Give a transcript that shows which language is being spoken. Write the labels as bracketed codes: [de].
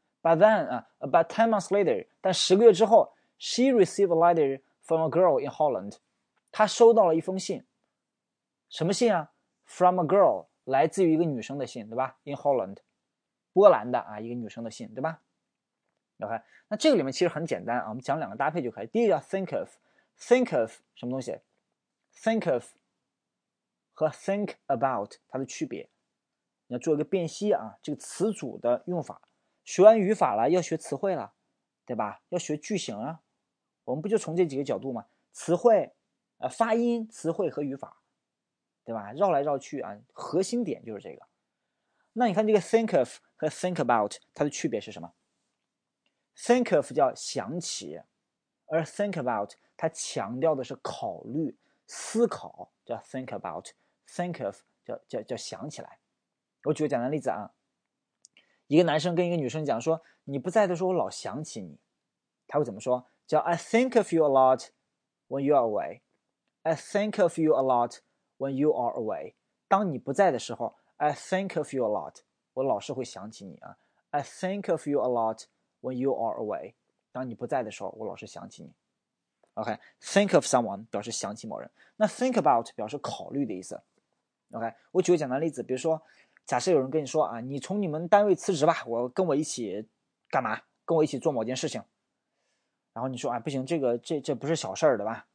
[en] But then, about 10 months later, [zh] 但十个月之后 [en] ，she received a letter from a girl in Holland. [zh] 他收到了一封信，什么信啊 ？ [en] From a girl， [zh] 来自于一个女生的信，对吧 ？In Holland， 波兰的啊，一个女生的信，对吧 ？OK， 那这个里面其实很简单啊，我们讲两个搭配就可以。第一个叫 think of 什么东西 ？think of 和 think about 它的区别，你要做一个辨析啊。这个词组的用法，学完语法了，要学词汇了，对吧？要学句型啊。我们不就从这几个角度吗？词汇、发音、词汇和语法，对吧？绕来绕去啊，核心点就是这个。那你看这个 think of 和 think about 它的区别是什么 ？think of 叫想起，而 think about。它强调的是考虑、思考，叫 think about， think of 叫想起来。我举个简单例子啊，一个男生跟一个女生讲说，你不在的时候我老想起你，他会怎么说？ [en] 叫 I think of you a lot when you are away， I think of you a lot when you are away， [zh] 当你不在的时候 [en] I think of you a lot， [zh] 我老是会想起你啊， [en] I think of you a lot when you are away， [zh] 当你不在的时候我老是想起你。 OK， think of someone 表示想起某人，那 think about 表示考虑的意思。 OK， 我举个简单例子，比如说，假设有人跟你说啊，你从你们单位辞职吧，我跟我一起干嘛？跟我一起做某件事情。然后你说啊，不行，这不是小事儿，对吧？